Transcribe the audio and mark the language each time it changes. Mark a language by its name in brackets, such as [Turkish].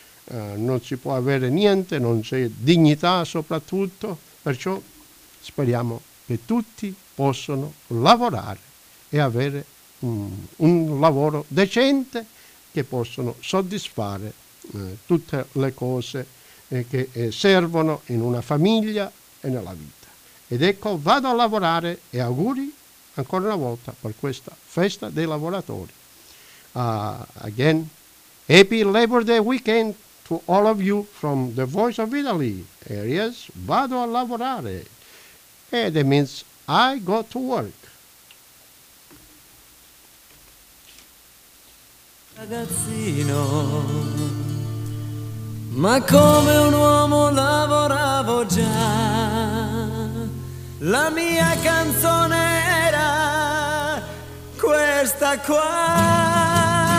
[Italian] non si può avere niente, non c'è dignità soprattutto, perciò speriamo che tutti possano lavorare e avere un lavoro decente, che possano soddisfare tutte le cose che servono in una famiglia e nella vita. Ed ecco, Vado a lavorare, e auguri ancora una volta per questa festa dei lavoratori. [English] Again, happy Labor Day weekend to all of you from the Voice of Italy. Here is Vado a lavorare, and it means I go to work. [Italian] Ragazzino, ma come un uomo lavoravo già, la mia canzone era questa qua.